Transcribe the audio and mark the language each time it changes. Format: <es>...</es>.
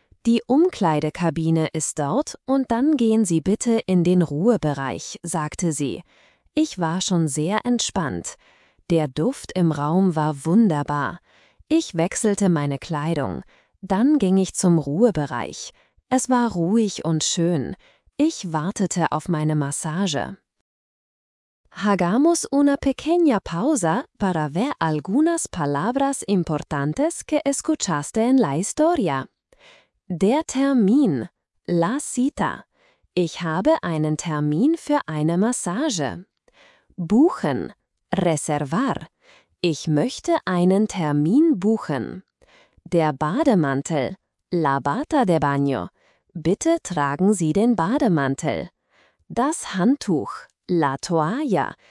<de>»Die Umkleidekabine ist dort und dann gehen Sie bitte in den Ruhebereich«, sagte sie. Ich war schon sehr entspannt. Der Duft im Raum war wunderbar. Ich wechselte meine Kleidung. Dann ging ich zum Ruhebereich. Es war ruhig und schön. Ich wartete auf meine Massage.</de> <es>Hagamos una pequeña pausa para ver algunas palabras importantes que escuchaste en la historia.</es> <de>Der Termin,</de> <es>la cita.</es> <de>Ich habe einen Termin für eine Massage. Buchen, reservar. Ich möchte einen Termin buchen. Der Bademantel,</de> <es>la bata de baño.</es> <de>Bitte tragen Sie den Bademantel. Das Handtuch,</de> <es>la toalla.</es>